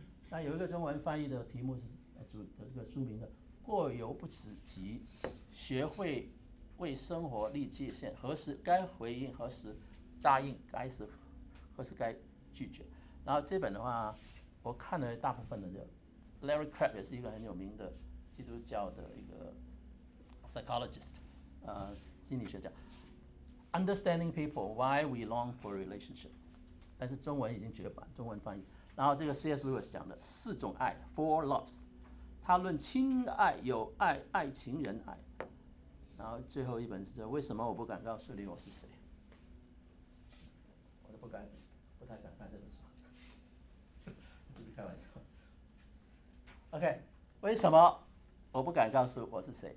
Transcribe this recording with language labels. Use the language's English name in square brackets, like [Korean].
[Chinese] 那有一个中文翻译的题目是主的这个书名的《过犹不及》，学会为生活立界限，何时该回应，何时答应，该是何时该拒绝。然后这本的话，我看了大部分的，就 Larry Crabb 也是一个很有名的基督教的一个 psychologist， 心理学家。 [English] Understanding people, why we long for relationship， [Chinese] 但是中文已经绝版，中文翻译。然后这个 C.S. Lewis 讲的四种爱 ，Four Loves， 他论亲爱有爱、爱情人爱，然后最后一本是这，为什么我不敢告诉你我是谁？我都不太敢看这本书，只是开玩笑。OK， 为什么我不敢告诉我是谁？